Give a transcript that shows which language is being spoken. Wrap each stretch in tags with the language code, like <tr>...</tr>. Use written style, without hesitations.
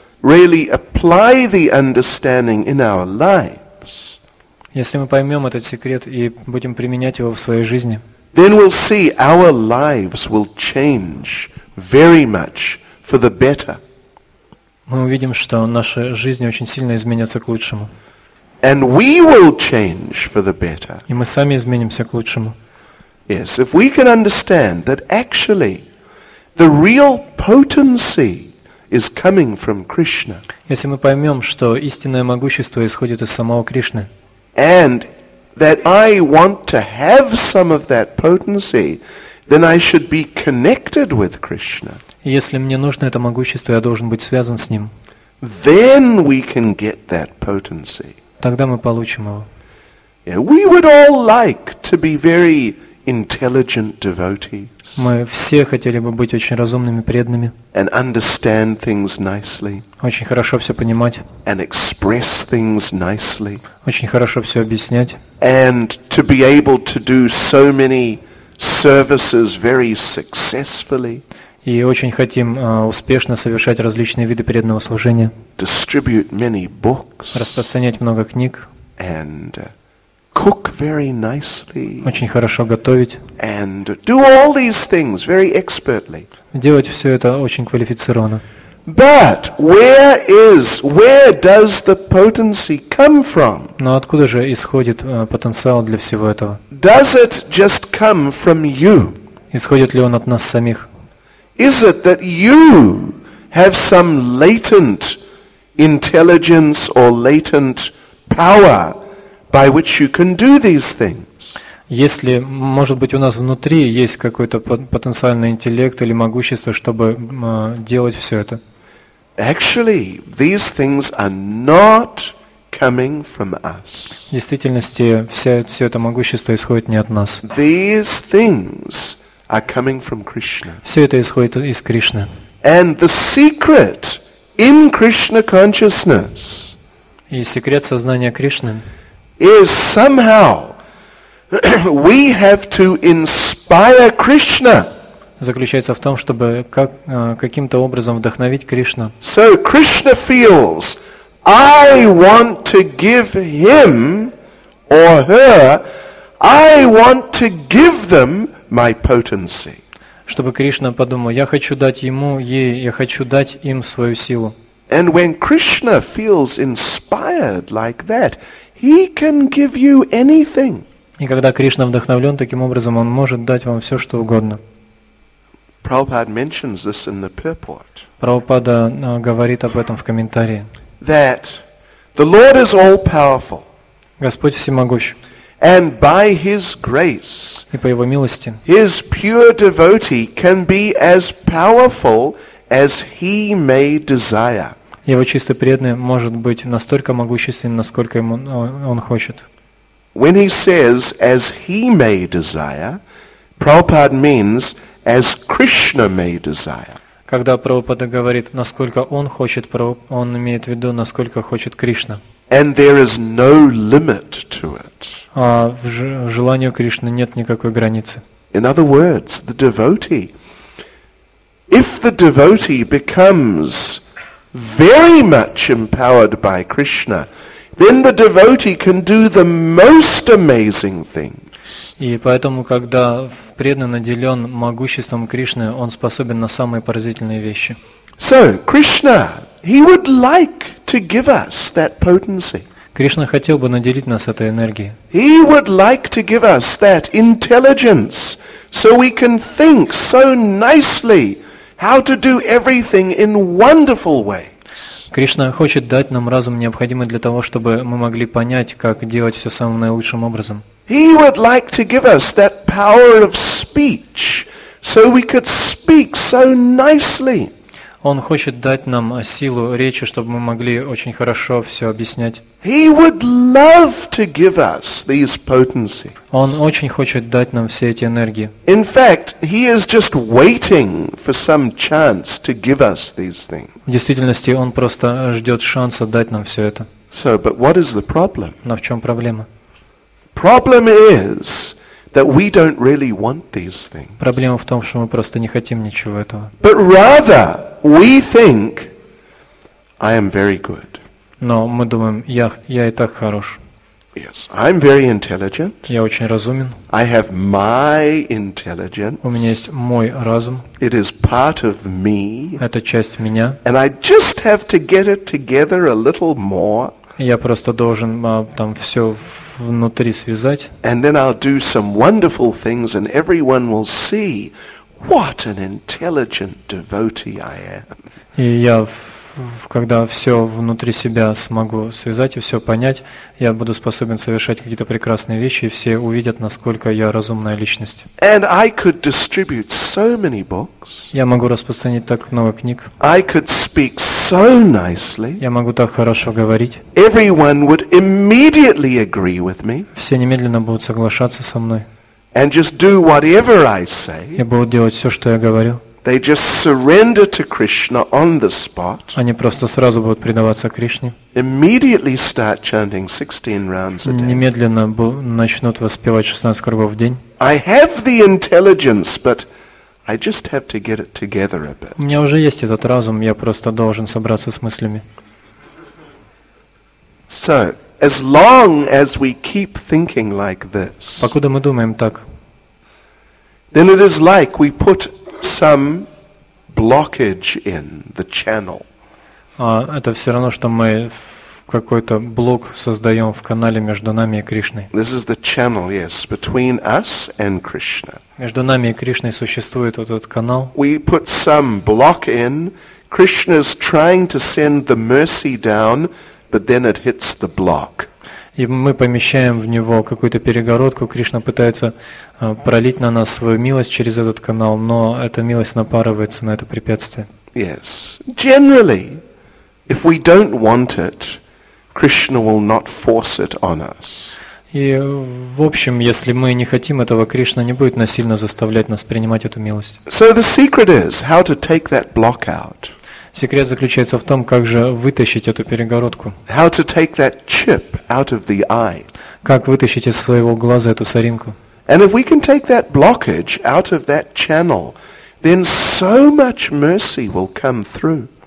<en>really apply the understanding in our lives,</en> <ru>если мы поймем этот секрет и будем применять его в своей жизни,</ru> <en>then we'll see our lives will change very much for the better.</en> <ru>Мы увидим, что наши жизни очень сильно изменятся к лучшему.</ru> <en>And we will change for the better.</en> <ru>И мы сами изменимся к лучшему.</ru> <en>Yes, if we can understand that actually the real potency is coming from Krishna.</en> <ru>Если мы поймем, что истинное могущество исходит из самого Кришны.</ru> <en>And that I want to have some of that potency, then I should be connected with Krishna.</en> <ru>Если мне нужно это могущество, я должен быть связан с ним.</ru> <en>Then we can get that potency.</en> <ru>Тогда мы получим его.</ru> <en>Yeah, we would all like to be very intelligent devotees.</en> <ru>Мы все хотели бы быть очень разумными преданными.</ru> <en>And understand things nicely.</en> <ru>Очень хорошо все понимать.</ru> <en>And express things nicely.</en> <ru>Очень хорошо все объяснять.</ru> <en>And to be able to do so many services very successfully.</en> <ru>И очень хотим успешно совершать различные виды преданного служения.</ru> <en>Distribute many books.</en> <ru>Распространять много книг.</ru> <en>And cook very nicely.</en> <ru>Очень хорошо готовить.</ru> <en>And do all these things very expertly.</en> <ru>Делать все это очень квалифицированно.</ru> <en>But where does the potency come from?</en> <ru>Но откуда же исходит потенциал для всего этого?</ru> <en>Does it just come from you?</en> <ru>Исходит ли он от нас самих?</ru> <en>Is it that you have some latent intelligence or latent power by which you can do these things?</en> <ru>Если, может быть, у нас внутри есть какой-то потенциальный интеллект или могущество, чтобы делать все это?</ru> <en>Actually, these things are not coming from us.</en> <ru>В действительности, все это могущество исходит не от нас.</ru> <en>These things are coming from Krishna.</en> <ru>Все это исходит из Кришны.</ru> <en>And the secret in Krishna consciousness.</en> <ru>И секрет сознания Кришны.</ru> <en>Is somehow we have to inspire Krishna.</en> <ru>Заключается в том, чтобы каким-то образом вдохновить Кришну.</ru> <en>So Krishna feels, I want to give him or her, I want to give them my potency.</en> <ru>Чтобы Кришна подумал, я хочу дать ему, ей, я хочу дать им свою силу.</ru> <en>And when Krishna feels inspired like that, he can give you anything.</en> <ru>И когда Кришна вдохновлен таким образом, он может дать вам все, что угодно.</ru> <en>Prabhupada mentions this in the purport.</en> <ru>Прабхупада говорит об этом в комментарии.</ru> <en>That the Lord is all powerful.</en> <ru>Господь всемогущ.</ru> <en>And by His grace,</en> <ru>и по Его милости,</ru> <en>His pure devotee can be as powerful as He may desire.</en> <ru>Его чистый преданный может быть настолько могущественным, насколько ему он хочет.</ru> <en>When He says as He may desire, Prabhupada means as Krishna may desire.</en> <ru>Когда Прабхупада говорит, насколько он хочет, он имеет в виду, насколько хочет Кришна.</ru> <en>And there is no limit to it.</en> <ru>А в желанию Кришны нет никакой границы.</ru> <en>In other words, the devotee, if the devotee becomes very much empowered by Krishna, then the devotee can do the most amazing things.</en> <ru>И поэтому, когда преданный наделен могуществом Кришны, он способен на самые поразительные вещи.</ru> <en>So, Krishna, he would like to give us that potency.</en> <ru>Кришна хотел бы наделить нас этой энергией.</ru> <en>He would like to give us that intelligence, so we can think so nicely how to do everything in wonderful way.</en> <ru>Кришна хочет дать нам разум, необходимый для того, чтобы мы могли понять, как делать все самым наилучшим образом.</ru> <en>He would like to give us that power of speech, so we could speak so nicely.</en> <ru>Он хочет дать нам силу речи, чтобы мы могли очень хорошо все объяснять.</ru> <en>He would love to give us these potencies.</en> <ru>Он очень хочет дать нам все эти энергии.</ru> <en>In fact, he is just waiting for some chance to give us these things.</en> <ru>В действительности, он просто ждет шанса дать нам все это.</ru> <en>So, but what is the problem?</en> <ru>Но в чем проблема?</ru> <en>Problem is that we don't really want these things.</en> <ru>Проблема в том, что мы просто не хотим ничего этого.</ru> <en>But rather, we think, I am very good.</en> <ru>Но мы думаем, я и так хорош.</ru> <en>Yes, I'm very intelligent.</en> <ru>Я очень разумен.</ru> <en>I have my intelligence.</en> <ru>У меня есть мой разум.</ru> <en>It is part of me.</en> <ru>Это часть меня.</ru> <en>And I just have to get it together a little more.</en> <ru>Я просто должен там все внутри связать.</ru> <en>And then I'll do some wonderful things, and everyone will see what an intelligent devotee I am.</en> <ru>И я когда все внутри себя смогу связать и все понять, я буду способен совершать какие-то прекрасные вещи, и все увидят, насколько я разумная личность.</ru> <en>And I could distribute so many books.</en> <ru>Я могу распространить так много книг.</ru> <en>I could speak so nicely.</en> <ru>Я могу так хорошо говорить.</ru> <en>Everyone would immediately agree with me.</en> <ru>Все немедленно будут соглашаться со мной.</ru> <en>And just do whatever I say.</en> <ru>Я буду делать все, что я говорю.</ru> <en>They just surrender to Krishna on the spot.</en> <ru>Они просто сразу будут предаваться Кришне.</ru> <en>Immediately start chanting 16 rounds a day.</en> <ru>Немедленно начнут воспевать 16 кругов в день.</ru> <en>I have the intelligence, but I just have to get it together a bit.</en> <ru>У меня уже есть этот разум, я просто должен собраться с мыслями.</ru> <en>So, as long as we keep thinking like this.</en> <ru>Покуда мы думаем так.</ru> <en>Then it is like we put some blockage in the channel.</en> <ru>Это все равно, что мы какой-то блок создаем в канале между нами и Кришной.</ru> <en>This is the channel, yes, between us and Krishna.</en> <ru>Между нами и Кришной существует вот этот канал.</ru> <en>We put some block in. Krishna's trying to send the mercy down, but then it hits the block.</en> <ru>И мы помещаем в него какую-то перегородку. Кришна пытается пролить на нас свою милость через этот канал, но эта милость напарывается на это препятствие.</ru> <en>Yes. Generally, if we don't want it, Krishna will not force it on us.</en> <ru>И в общем, если мы не хотим этого, Кришна не будет насильно заставлять нас принимать эту милость.</ru> <en>So the secret is how to take that block out.</en> <ru>Секрет заключается в том, как же вытащить эту перегородку.</ru> <en>How to take that chip out of the eye.</en> <ru>Как вытащить из своего глаза эту соринку.</ru> <en>And if we can take that blockage out of that channel, then so much mercy will come through.</en>